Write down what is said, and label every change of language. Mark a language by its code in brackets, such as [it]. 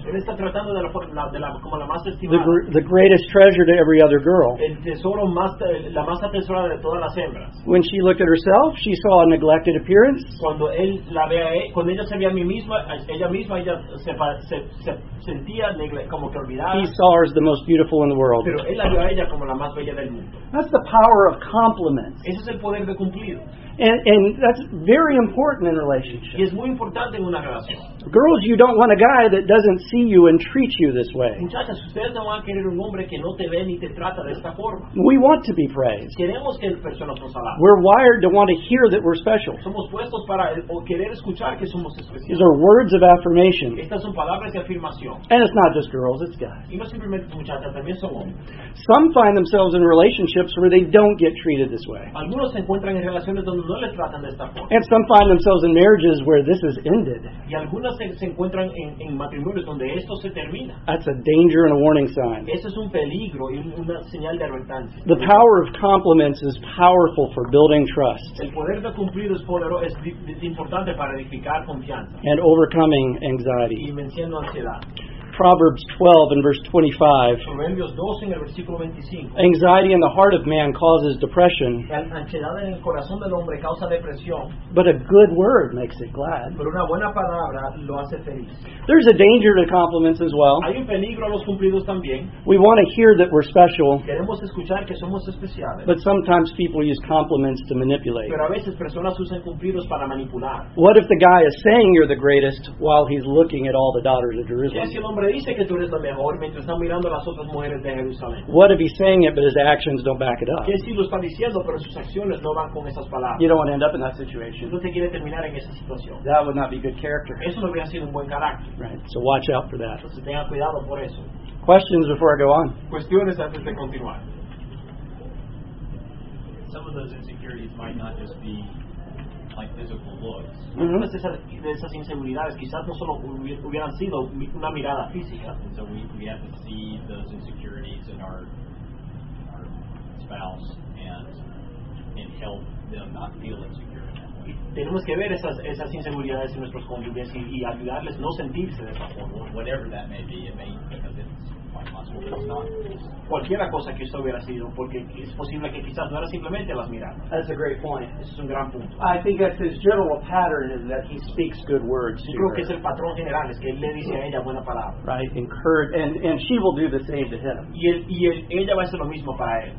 [es] Él está tratando de la como la más estimada. [en] The greatest treasure to every other girl. [es] El tesoro más, la más atesorada de todas las hembras. [en] When she looked at herself, she saw a neglected appearance. [es] Cuando él la ve a él, cuando ella se ve a mí misma, ella misma, ella se sentía como que olvidada. [en] He saw her as the most beautiful in the world. [es] Pero él la vio a ella como la más bella del mundo. [en] That's the power of compliments. [es] Ese es el poder de cumplidos. [en] And that's very important in relationships. [es] Y es muy importante en una relación. [en] Girls, you don't want a guy that doesn't see you and treat you this way. [es] Muchachas, ustedes no van a querer un hombre que no te ve ni te trata de esta forma. [en] We want to be praised. [es] Queremos que el persona nos alabe. [en] We're wired to want to hear that we're special. [es] Somos puestos para querer escuchar que somos especiales. [en] These are words of affirmation. [es] Estas son palabras de afirmación. [en] And it's not just girls, it's guys. [es] Y no simplemente muchachas, también son hombres. [en] Some find themselves in relationships where they don't get treated this way. [es] Algunos se encuentran en relaciones donde no les tratan de esta forma. [en] And some find themselves in marriages where this is ended. [es] Y algunas se encuentran en matrimonios donde esto se termina. [en] That's a danger and a warning sign. [es] Eso es un peligro y una señal de advertencia. [en] The power of compliments is powerful for building trust. [es] El poder de cumplidos es importante para edificar confianza. [en] And overcoming anxiety. [es] Y venciendo ansiedad. [en] Proverbs 12 and verse 25. [es] Proverbios 12 en el versículo 25. [en] Anxiety in the heart of man causes depression. [es] La ansiedad en el corazón del hombre causa depresión. [en] But a good word makes it glad. [es] Pero una buena palabra lo hace feliz. [en] There's a danger to compliments as well. [es] Hay un peligro a los cumplidos también. [en] We want to hear that we're special. [es] Queremos escuchar que somos especiales. [en] But sometimes people use compliments to manipulate. [es] Pero a veces personas usan cumplidos para manipular. [en] What if the guy is saying you're the greatest while he's looking at all the daughters of Jerusalem? [es] Dice que tú eres la mejor mientras está mirando a las otras mujeres de Jerusalén. [en] What if he's saying it but his actions don't back it up? [es] ¿Qué si lo está diciendo pero sus acciones no van con esas palabras? [en] You don't want to end up in that situation. [es] No te quiere terminar en esa situación. [en] That would not be good character. [es] Eso no hubiera sido un buen carácter. [en] Right. So watch out for that. [es] Entonces tenga cuidado por eso. [en] Questions before I go on. [es] Cuestiones antes de continuar. [en] Some of those insecurities might not just be like physical looks. [es] Mm-hmm. De esas inseguridades quizás no solo hubieran sido una mirada física. [en] And so we have to see those insecurities in our spouse and help them not feel insecure in that way. [es] Tenemos que ver esas inseguridades en nuestros cónyuges y ayudarles no sentirse de esa forma. [en] Whatever that may be, it may, because it's quite possible it's not. [es] Cualquiera cosa que esto hubiera sido, porque es posible que quizás no era simplemente las miradas. [en] That's a great point. [es] Ese es un gran punto. [en] I think that's his general pattern is that he speaks good words. [es] Yo creo [en] her. [es] Que es el patrón general, es que él le dice a ella buena palabra. [en] Right, encourage, and she will do the same to him. [es] Y ella va a hacer lo mismo para él.